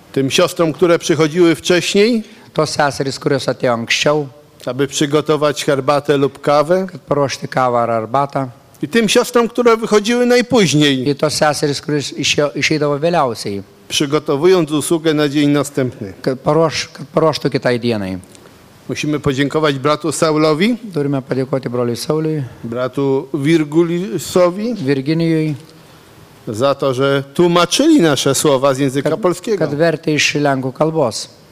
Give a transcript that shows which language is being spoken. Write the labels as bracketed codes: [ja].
[pl] Tym siostrom, które przychodziły wcześniej, [lt] to seserys, kurios atėjo anksčiau, [pl] aby przygotować herbatę lub kawę, [lt] kad paruošti kawą ar arbatą, [pl] i tym siostrom, które wychodziły najpóźniej, [lt] i to seserys, kurios išeidavo vėliausiai, [pl] przygotowując usługę na dzień następny, [lt] kad paruoštų kitai dienai. [pl] Musimy podziękować bratu Saulowi, [lt] turime padėkoti broliui Sauliui, [pl] bratu Virgulisowi, [lt] Virginijui, [pl] za to, że tłumaczyli nasze słowa z języka polskiego, [lt] kad vertė iš lenkų kalbos.